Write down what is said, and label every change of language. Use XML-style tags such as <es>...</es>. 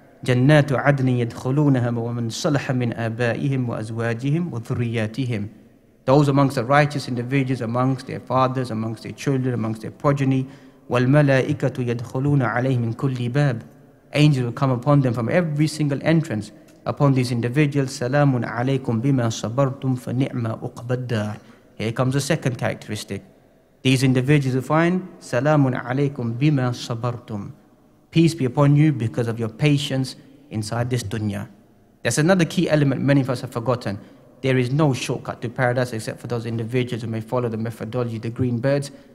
<ar>جَنَّاتُ عَدْنٍ يَدْخُلُونَهَا وَمَنْ صَلَحَ مِنْ آبَائِهِمْ وَأَزْوَاجِهِمْ وَذُرِّيَّاتِهِمْ.</ar> <en>Those amongst the righteous individuals, amongst their fathers, amongst their children, amongst their progeny.</en> <ar>وَالْمَلَائِكَةُ يَدْخُلُونَ عَلَيْهِمْ مِنْ كُلِّ بَابٍ.</ar> <en>Angels will come upon them from every single entrance. Upon these individuals,</en> <ar>سَلَامٌ عَلَيْكُمْ بِمَا صَبَرْتُمْ فَنِعْمَ أُقْبَى الدَّارِ.</ar> <en>Here comes the second characteristic. These individuals will find,</en> <ar>سَلَامٌ عَلَيْكُمْ بِمَا صَبَرْتُمْ.</ar> <en>Peace be upon you because of your patience inside this dunya. That's another key element many of us have forgotten. There is no shortcut to paradise except for those individuals who may follow the methodology, the green birds.</en>